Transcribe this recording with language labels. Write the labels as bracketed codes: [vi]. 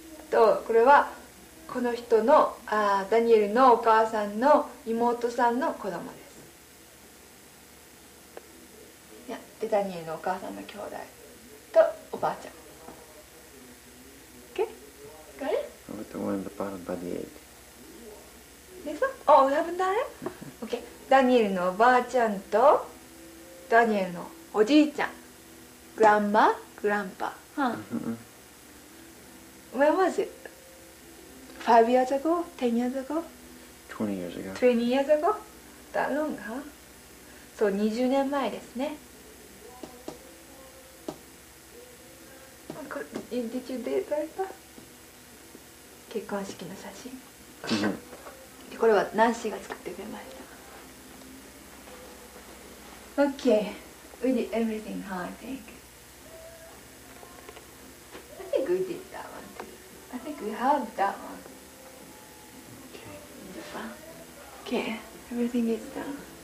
[ja] と、これはこの人の、あ、ダニエルのお母さんの妹さんの子供です。で、ダニエルのお母さんの兄弟とおばあちゃん。 [en] OK? Got it? I'm the one in the bottom by the egg. でさ、oh, we haven't done it? OK? [ja] ダニエルのおばあちゃんとダニエルのおじいちゃん、グランマ、グランパ、huh? [en] When was it? 5 years ago? 10 years ago? 20 years ago? 20 years ago? That long, huh? [ja] そう、20年前ですね。 [en] Did you date that? [ja] 結婚式の写真、 mm-hmm. でこれはナンシーが作ってくれました。 [en] OK We did everything, huh, I think I think we did that one too I think we have that one OK In Japan OK, everything is done